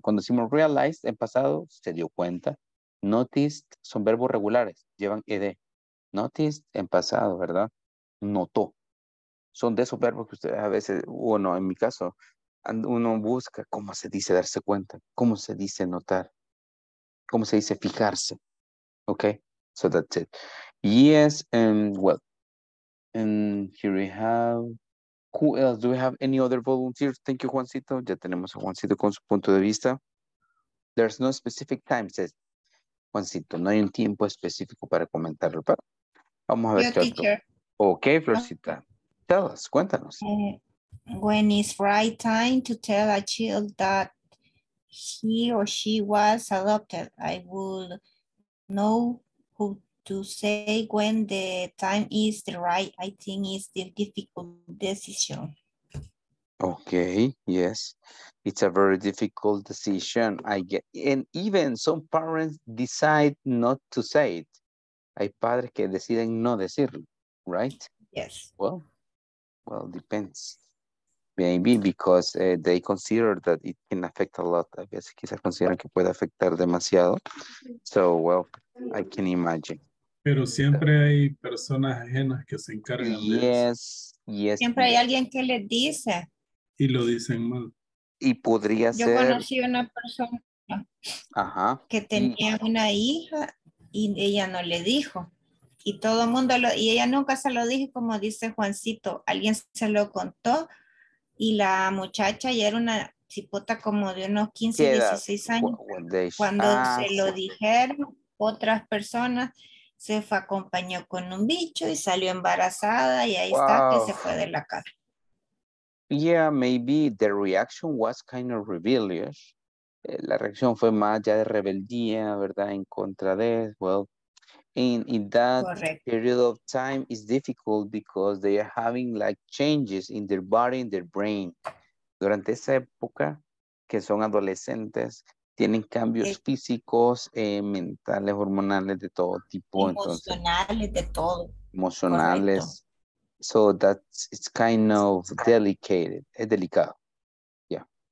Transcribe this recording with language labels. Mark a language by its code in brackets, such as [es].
[es] Cuando decimos realize en pasado, se dio cuenta. Notice son verbos regulares, llevan ed. Notice en pasado, ¿verdad? Notó. Son de esos verbos que ustedes a veces, bueno, en mi caso, uno busca cómo se dice darse cuenta, cómo se dice notar, cómo se dice fijarse. [en] Ok, so that's it. Yes, well, and here we have, who else? Do we have any other volunteers? Thank you, [es] Juancito. Ya tenemos a Juancito con su punto de vista. [en] There's no specific time, says Juancito. [es] No hay un tiempo específico para comentarlo, pero vamos a ver. Yo, teacher. [en] Ok, Florcita. Tell us, cuéntanos. When it's right time to tell a child that he or she was adopted, I would know who to say when the time is the right. I think it's the difficult decision. Okay, yes. It's a very difficult decision. I get, and even some parents decide not to say it. [es] Hay padres que deciden no decirlo, right? [en] Yes. Well, depends. Maybe because they consider that it can affect a lot. I guess [es] quizás consideran que puede afectar demasiado. [en] So, well, I can imagine. [es] Pero siempre hay personas ajenas que se encargan de [en] yes, [es] eso. [en] Yes. [es] Siempre hay alguien que les dice. Y lo dicen mal. Y podría yo ser. Yo conocí una persona. Ajá. Que tenía una hija y ella no le dijo. Y todo el mundo, y ella nunca se lo dijo, como dice Juancito, alguien se lo contó y la muchacha ya era una cipota como de unos 15, 16 años. Cuando se lo dijeron otras personas, se fue acompañó con un bicho y salió embarazada y ahí está, que se fue de la casa. [en] Yeah, maybe the reaction was kind of rebellious. [es] La reacción fue más ya de rebeldía, ¿verdad? En contra de, [en] well, in that [es] correcto. [en] Period of time is difficult because they are having like changes in their body, in their brain. [es] Durante esa época, que son adolescentes, tienen cambios físicos, mentales, hormonales, de todo tipo. Emocionales, entonces, de todo. Emocionales. Correcto. [en] So that's, it's kind of delicate. [es] Es delicado. [en] Yeah.